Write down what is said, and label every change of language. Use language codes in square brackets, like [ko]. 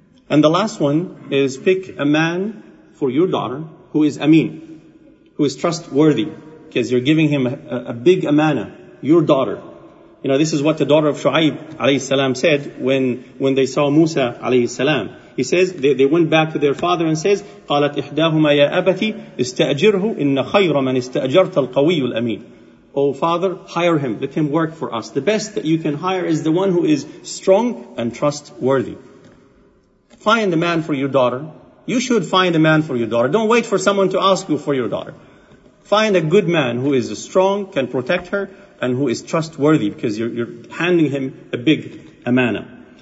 [en] And the last one is pick a man for your daughter who is ameen, who is trustworthy, because you're giving him a big amana, your daughter. You know, this is what the daughter of Shu'aib alayhi salam said when they saw Musa alayhi salam. He says, they went back to their father and says, [ar] قَالَتْ إِحْدَاهُمَا يَا أَبَتِي إِسْتَأْجِرْهُ إِنَّ خَيْرَ مَنْ إِسْتَأْجَرْتَ الْقَوِيُّ الْأَمِينَ. [en] Oh father, hire him, let him work for us. The best that you can hire is the one who is strong and trustworthy. Find a man for your daughter. You should find a man for your daughter. Don't wait for someone to ask you for your daughter. Find a good man who is strong, can protect her, and who is trustworthy, because you're handing him a big amana.